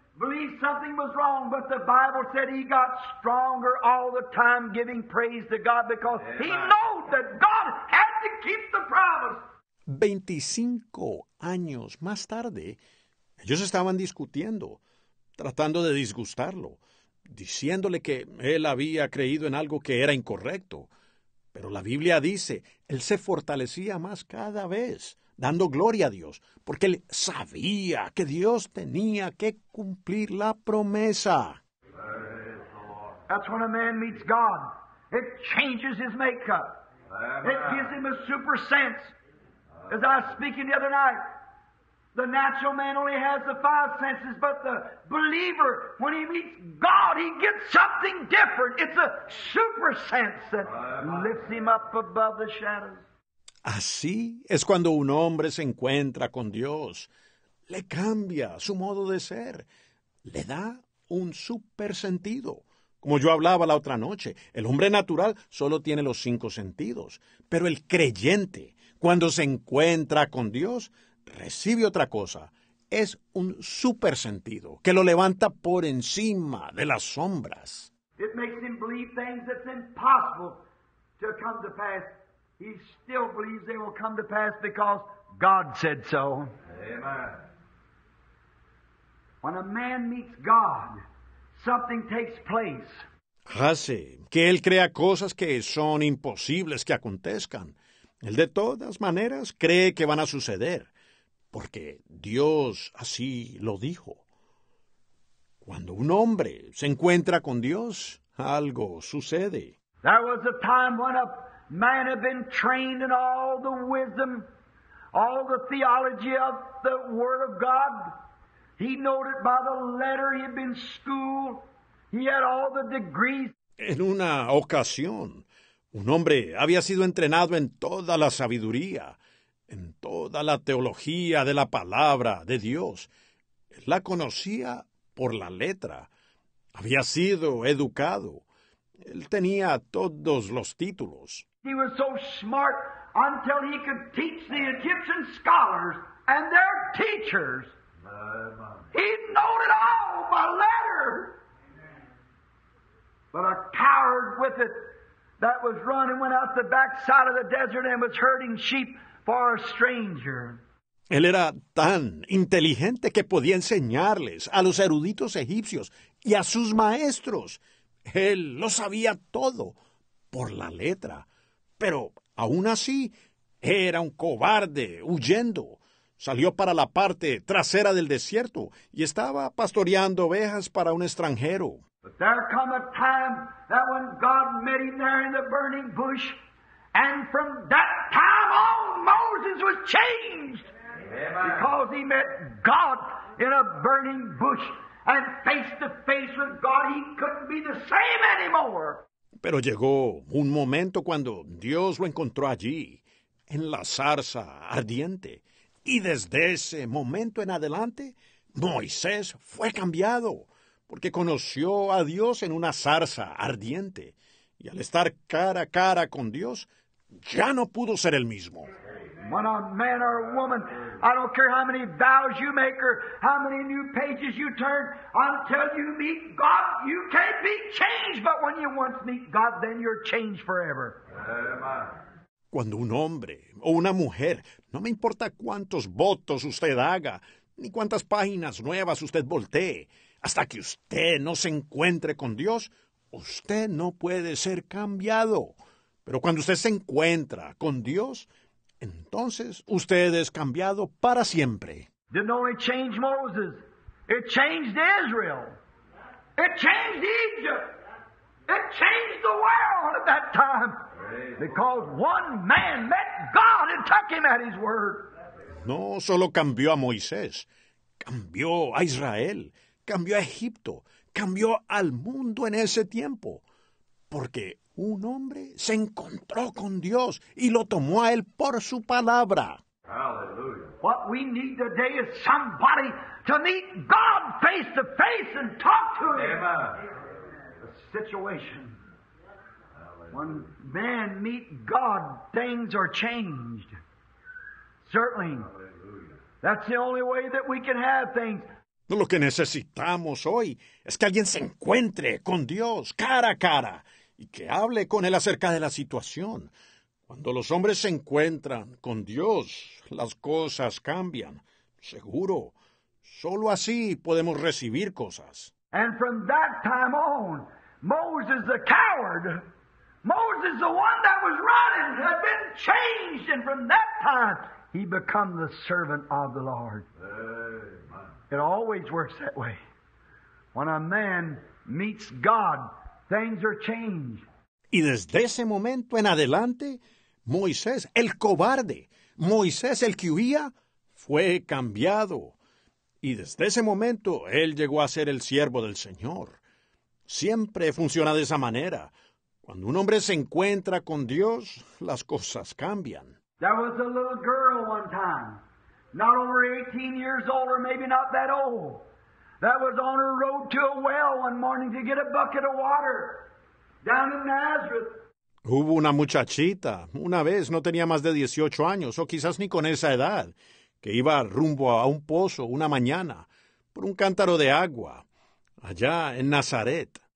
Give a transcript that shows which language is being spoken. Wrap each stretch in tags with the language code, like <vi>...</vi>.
<en>believed something was wrong, but the Bible said he got stronger all the time giving praise to God because he knew that God had to keep the promise.</en> <es>25 años más tarde, ellos estaban discutiendo, tratando de disgustarlo, diciéndole que él había creído en algo que era incorrecto. Pero la Biblia dice, él se fortalecía más cada vez, dando gloria a Dios, porque él sabía que Dios tenía que cumplir la promesa.</es> <en>That's when a man meets God. It changes his makeup. It gives him a super sense. As I was speaking the other night, the natural man only has the five senses, but the believer, when he meets God, he gets something different. It's a super sense that lifts him up above the shadows.</en> <es>Así es cuando un hombre se encuentra con Dios. Le cambia su modo de ser. Le da un super sentido. Como yo hablaba la otra noche, el hombre natural solo tiene los cinco sentidos. Pero el creyente, cuando se encuentra con Dios, recibe otra cosa. Es un super sentido que lo levanta por encima de las sombras.</es> <en>It makes him believe things that's impossible to come to pass. He still believes they will come to pass because God said so. Amen. When a man meets God, something takes place.</en> <es>Hace que él crea cosas que son imposibles que acontezcan. Él de todas maneras cree que van a suceder. Porque Dios así lo dijo. Cuando un hombre se encuentra con Dios, algo sucede.</es> <en>There was a time when a man had been trained in all the wisdom, all the theology of the Word of God. He knowed it by the letter. He had been schooled. He had all the degrees.</en> <es>En una ocasión, un hombre había sido entrenado en toda la sabiduría, en toda la teología de la palabra de Dios. Él la conocía por la letra. Había sido educado. Él tenía todos los títulos.</es> <en>He was so smart until he could teach the Egyptian scholars and their teachers. He knew it all by letter. But a coward with it that was running went out the back side of the desert and was herding sheep. For a stranger.</en> <es>Él era tan inteligente que podía enseñarles a los eruditos egipcios y a sus maestros. Él lo sabía todo por la letra. Pero aún así, era un cobarde huyendo. Salió para la parte trasera del desierto y estaba pastoreando ovejas para un extranjero.</es> <en>But there come a time that when God met him there in the burning bush, and from that time on, Moses was changed. Amen. Because he met God in a burning bush. And face to face with God, he couldn't be the same anymore.</en> <es>Pero llegó un momento cuando Dios lo encontró allí, en la zarza ardiente. Y desde ese momento en adelante, Moisés fue cambiado, porque conoció a Dios en una zarza ardiente. Y al estar cara a cara con Dios, ya no pudo ser el mismo.</es> <en>When a man or a woman, I don't care how many vows you make or how many new pages you turn, until you meet God, you can't be changed. But when you once meet God, then you're changed forever.</en> <es>Cuando un hombre o una mujer, no me importa cuántos votos usted haga, ni cuántas páginas nuevas usted voltee, hasta que usted no se encuentre con Dios, usted no puede ser cambiado. Pero cuando usted se encuentra con Dios, entonces usted es cambiado para siempre.</es> <en>Didn't only change Moses. It changed Israel. It changed Egypt. It changed the world at that time. Because one man met God and took him at his word.</en> <es>No solo cambió a Moisés, cambió a Israel, cambió a Egipto, cambió al mundo en ese tiempo. Porque un hombre se encontró con Dios y lo tomó a él por su palabra.</es> <en>Hallelujah. What we need today is somebody to meet God face to face and talk to him. Amen. The situation. When men meet God, things are changed. Certainly. Hallelujah. That's the only way that we can have things.</en> <es>Lo que necesitamos hoy es que alguien se encuentre con Dios cara a cara y que hable con Él acerca de la situación. Cuando los hombres se encuentran con Dios, las cosas cambian. Seguro, solo así podemos recibir cosas.</es> <en>And from that time on, Moses the coward, Moses the one that was running, had been changed. And from that time, he became the servant of the Lord. Amen. It always works that way. When a man meets God, things are changed.</en> <es>Y desde ese momento en adelante, Moisés, el cobarde, Moisés, el que huía, fue cambiado. Y desde ese momento, él llegó a ser el siervo del Señor. Siempre funciona de esa manera. Cuando un hombre se encuentra con Dios, las cosas cambian.</es> <en>There was a little girl one time, not over 18 years old or maybe not that old, that was on her road to a well one morning to get a bucket of water down in Nazareth.</en> <es>Hubo una muchachita, una vez, no tenía más de 18 años, o quizás ni con esa edad, que iba rumbo a un pozo una mañana por un cántaro de agua allá en Nazaret.</es>